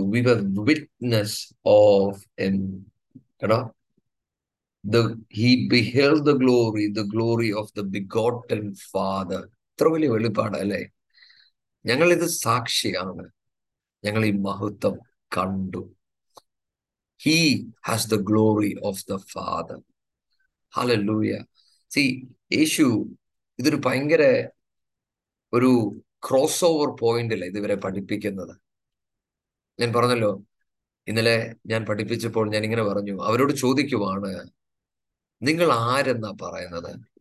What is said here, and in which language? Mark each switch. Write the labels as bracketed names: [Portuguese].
[English] We were witness of him. [Malayalam] കേട്ടോ, [English] He beheld the glory of the begotten father. [Malayalam] ഇത്ര വലിയ വെളിപ്പാട് അല്ലേ? ഞങ്ങൾ ഇത് സാക്ഷിയാണ്, ഞങ്ങൾ ഈ മഹത്വം കണ്ടു. [English] He has the glory of the Father. Hallelujah. [Malayalam] See, യേശു ഇതൊരു ഭയങ്കര ഒരു ക്രോസ് ഓവർ പോയിന്റ് അല്ലേ ഇതുവരെ പഠിപ്പിക്കുന്നത്? ഞാൻ പറഞ്ഞല്ലോ, ഇന്നലെ ഞാൻ പഠിപ്പിച്ചപ്പോൾ ഞാൻ ഇങ്ങനെ പറഞ്ഞു, അവരോട് ചോദിക്കുവാണ്, നിങ്ങൾ ആരെന്നാ പറയുന്നത്?